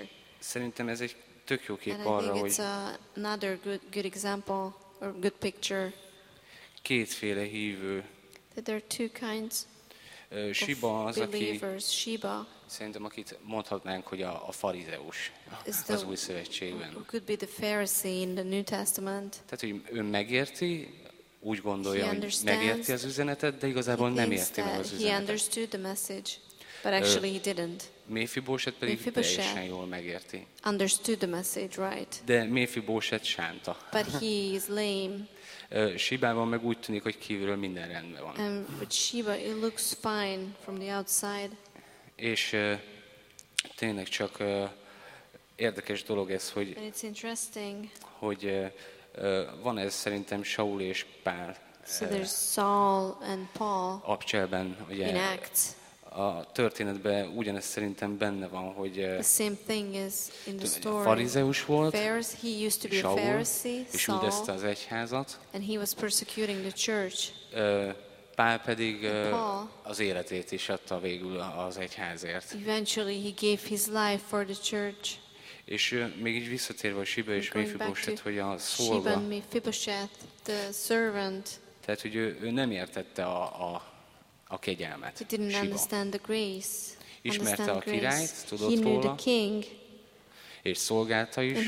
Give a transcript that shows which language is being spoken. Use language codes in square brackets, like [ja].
[hu] És szerintem ez egy tök jó kép arra, hogy [en] another good example or good picture. [hu] Kétféle hívő. [en] That there are two kinds. [hu] Siba az, aki [en] Shiba. [hu] Szerintem akit mondhatnánk, hogy a farizeus az új szövetségben. [en] Who could be the Pharisee in the New Testament. [hu] Tehát, hogy ő megérti, úgy gondolja, hogy megérti az üzenetet, de igazából nem érti meg az üzenetet. [en] He understood the message, but actually he didn't. [hu] Mephibosheth pedig teljesen jól megérti. [en] Understood the message, right? [hu] De Mephibosheth sánta. [en] But he is lame. [hu] Sibában meg úgy tűnik, hogy kívülről minden rendben van. [en] But Shiba, it looks fine from the outside. [hu] És tényleg csak érdekes dolog ez, hogy [en] and it's interesting. [hu] Hogy van ez szerintem Saul és Pál. [en] So there's Saul and Paul. [hu] Abcselben, ugye, [en] in Acts. [hu] A történetben ugyanez szerintem benne van, hogy [en] the same thing is in the story. [hu] Farizeus volt. [en] He used to be Saul, a Pharisee, [hu] és üldözte az egyházat. [en] And he was persecuting the church. [hu] Pál pedig az életét is adta végül az egyházért. [en] Eventually he gave his life for the church. [hu] És még így visszatérve a Siba és Mephibosheth, hogy a szolga. [en] The servant, [hu] tehát, hogy ő nem értette a kegyelmet, [en] he didn't Siba. Understand the grace, [hu] ismerte [en] understand [hu] a királyt, [en] grace. [hu] Tudott [en] he knew [hu] róla, [en] the king, [hu] és szolgálta is,